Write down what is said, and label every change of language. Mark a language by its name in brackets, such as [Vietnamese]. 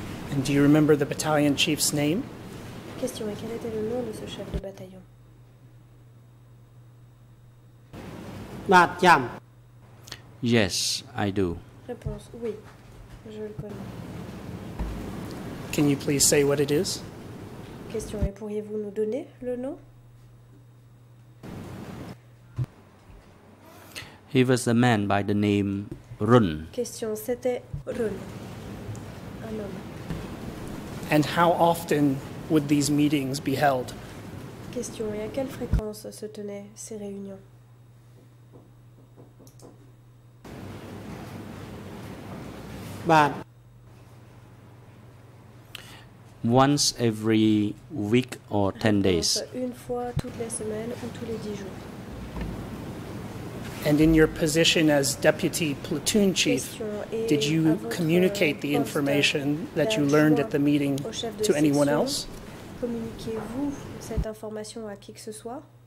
[English] And do you remember the battalion chief's name? [French] Question, quel était le nom de ce chef de bataillon? [English] Bat Yam. Yes, I do. [French] Réponse, oui, je le connais. [English] Can you please say what it is? [French] Question, et pourriez-vous nous donner le nom? [English] He was a man by the name Run. [French] Question, c'était Run, un homme. [English] And how often would these meetings be held? [French] Question, et à quelle fréquence se tenaient ces réunions? [English] Once every week or 10 days. [French] Une fois toutes les semaines ou tous les 10 jours. [English] And in your position as deputy platoon chief, did you communicate the information that you learned at the meeting to anyone else? [French] Communiquez-vous cette information à qui que ce soit?